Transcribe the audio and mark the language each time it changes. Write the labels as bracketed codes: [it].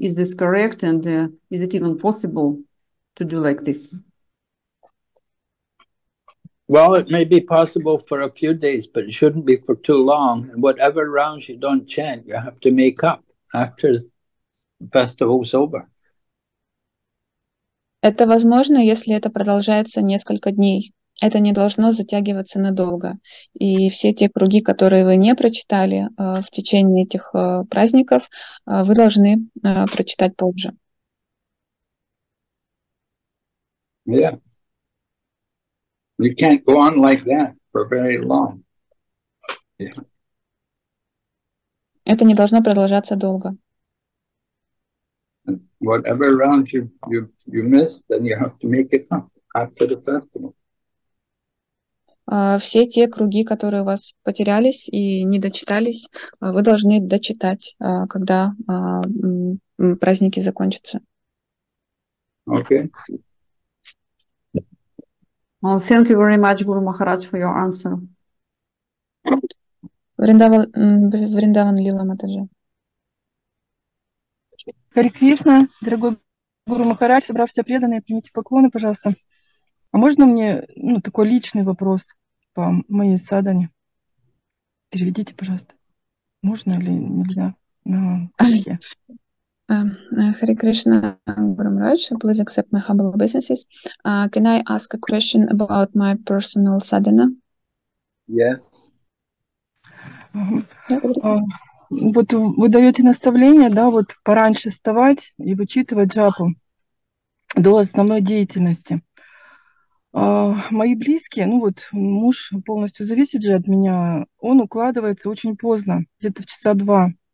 [en] Is this correct, and is it even possible to do like this? Well, it may be possible for a few days, but it shouldn't be for too long. And whatever rounds you don't chant, you have to make up after the festival's over. [ru] Это возможно, если это продолжается несколько дней. Это не должно затягиваться надолго. И все те круги, которые вы не прочитали в течение этих праздников, вы должны прочитать позже. [en] Yeah. You can't go on like that for very long. Yeah. [ru] Это не должно продолжаться долго. [en] Whatever round you miss, then you have to make it up after the festival. [ru] Все те круги, которые у вас потерялись и не дочитались, вы должны дочитать, когда праздники закончатся. [en] Okay. Well, thank you very much, Guru Maharaj, for your answer. [ru] Вриндаван Лила Матаджи. Хари Кришна, дорогой Гуру Махарадж, собрав все преданные, примите поклоны, пожалуйста. А можно мне такой личный вопрос? По моей садане. Переведите, пожалуйста. Можно или нельзя? На [en] Хари. Хари Кришна, Гуру Махарадж, please accept my humble obeisances. Can I ask a question about my personal sadhana? Yes. [ru] Вот вы даете наставление, да, вот пораньше вставать и вычитывать джапу до основной деятельности. Мои близкие, ну вот муж полностью зависит же от меня, он укладывается очень поздно, где-то в часа два.